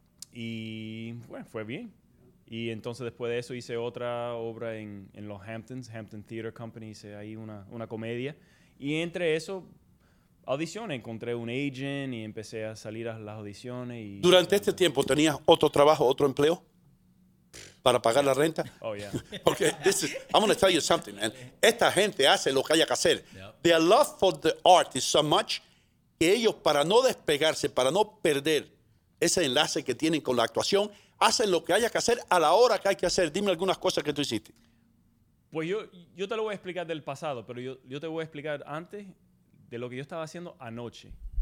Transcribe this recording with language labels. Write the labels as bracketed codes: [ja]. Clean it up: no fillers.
[es] Y, bueno, fue bien. Y entonces, después de eso, hice otra obra en Los Hamptons, Hampton Theater Company. Hice ahí una comedia. Y entre eso, audiciones. Encontré un agent y empecé a salir a las audiciones. Y ¿durante este tiempo tenías otro trabajo, otro empleo para pagar la renta? [en] Oh, yeah. Okay, this is, I'm going to tell you something, man. [es] Esta gente hace lo que haya que hacer. [en] Yep. Their love for the art is so much [es] que ellos, para no despegarse, para no perder ese enlace que tienen con la actuación, hacen lo que haya que hacer a la hora que hay que hacer. Dime algunas cosas que tú hiciste. Pues yo te lo voy a explicar del pasado, pero yo te voy a explicar antes de lo que yo estaba haciendo anoche.